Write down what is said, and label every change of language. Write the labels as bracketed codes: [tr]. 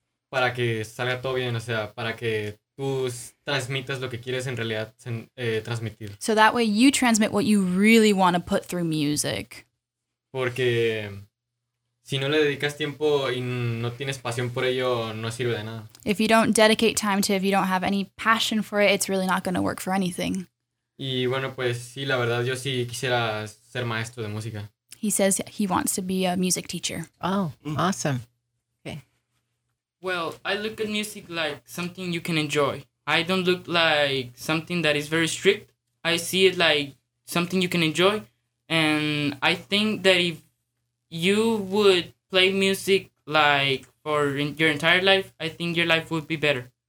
[es] Para que salga todo bien, o sea, para que tú transmitas lo que quieres en realidad transmitir. [en] So that way you transmit what you really want to put through music. [es] Porque si no le dedicas tiempo y no tienes pasión por ello, no sirve de nada. [en] If you don't dedicate time to, if you don't have any passion for it, it's really not going to work for anything. [es] Y bueno, pues sí, la verdad, yo sí quisiera ser maestro de música. [en] He says he wants to be a music teacher. Oh, awesome. Okay. Well, I look at music like something you can enjoy. I don't look like something that is very strict. I see it like something you can enjoy. And I think that if you would play music like for your entire life, I think your life would be better.